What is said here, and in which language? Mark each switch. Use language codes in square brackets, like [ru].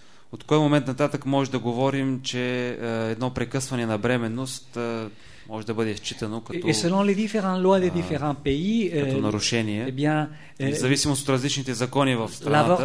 [bg] От кой момент нататък може да говорим, че едно прекъсване на бременност може да бъде считано като, [fr] selon les différentes lois des différents pays, [bg] като нарушение, eh bien, в зависимост от различните закони в страната.